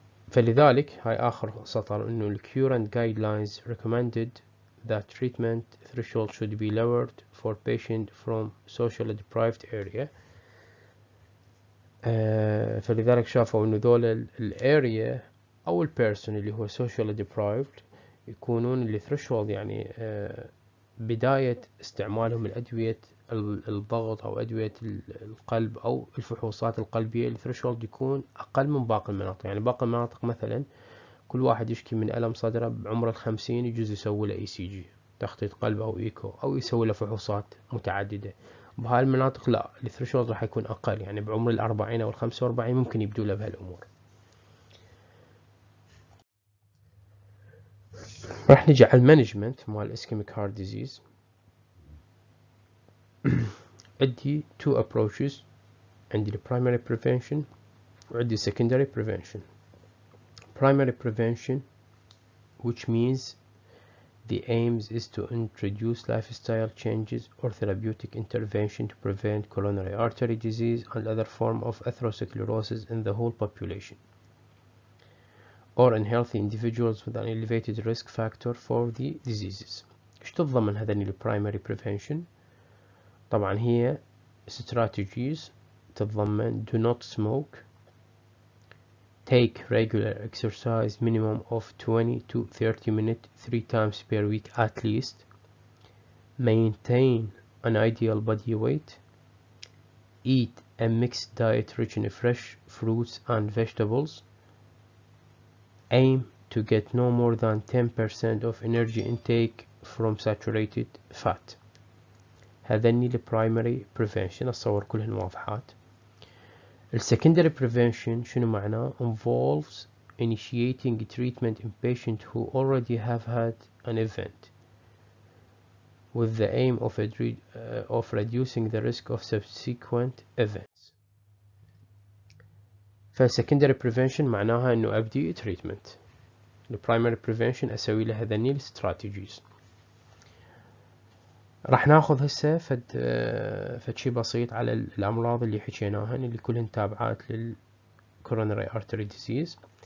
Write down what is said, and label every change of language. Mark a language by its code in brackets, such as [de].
[ar] فلذلك هاي اخر سطر انه [en] الـ current guidelines recommended that treatment threshold should be lowered for patient from social deprived area. [ar] فلذلك شافوا انه ذول الـ area او الـ person اللي هو social deprived يكونون الـ threshold يعني بداية استعمالهم الادوية الضغط او ادوية القلب او الفحوصات القلبية الثريشولد يكون اقل من باقي المناطق. يعني باقي المناطق مثلا كل واحد يشكي من الم صدره بعمر الخمسين يجوز يسوي له ECG تخطيط قلب او ايكو او يسوي له فحوصات متعددة، بهاي المناطق لا الثريشولد راح يكون اقل، يعني بعمر الاربعين او الخمسة واربعين ممكن يبدو له بهالامور. راح نجي على المانجمنت مال اسكيميك هارت ديزيز. [en] عندي two approaches، عندي primary prevention وعندي secondary prevention. primary prevention, which means the aims is to introduce lifestyle changes or therapeutic intervention to prevent coronary artery disease and other form of atherosclerosis in the whole population or in healthy individuals with an elevated risk factor for the diseases. [ar] ايش تضمن هذا اللي [en] primary prevention؟ [ar] طبعا هي [en] strategies تضمن do not smoke, take regular exercise minimum of 20 to 30 minutes 3 times per week at least, maintain an ideal body weight, eat a mixed diet rich in fresh fruits and vegetables, aim to get no more than 10% of energy intake from saturated fat. [ar] هذني ال primary prevention. أصور كلهن واضحات. [en] ال secondary prevention [ar] شنو معناه؟ [en] Involves initiating treatment in patients who already have had an event with the aim of reducing the risk of subsequent events. [ar] ف secondary prevention معناها إنه أبدي treatment. ال primary prevention أسوي له هذني ال strategies. راح ناخذ هسه فد شيء بسيط على الامراض اللي حكيناها اللي كلهن تابعات للكورونري ارتري ديزيز.